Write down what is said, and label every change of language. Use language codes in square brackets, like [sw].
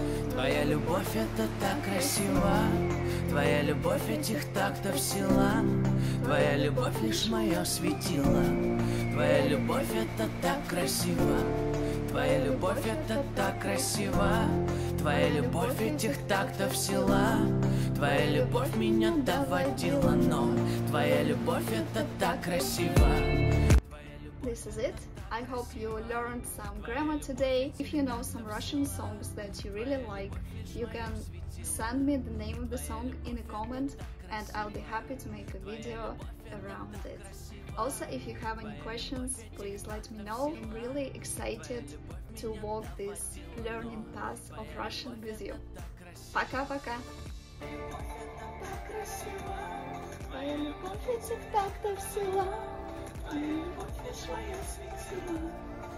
[ru] Твоя любовь это так красиво, твоя любовь этих тактов сила, твоя любовь лишь мое светило, твоя любовь это так красиво, твоя любовь это так красиво, твоя любовь этих тактов сила, твоя любовь меня доводила, но твоя любовь это так красиво. [en] This is it. I hope you learned some grammar today. If you know some Russian songs that you really like, you can send me the name of the song in a comment and I'll be happy to make a video around it. Also, if you have any questions, please let me know. I'm really excited to walk this learning path of Russian with you. [ru] Пока, пока. Твоя любовь этих тактов сила, твоя любовь лишь моя светила.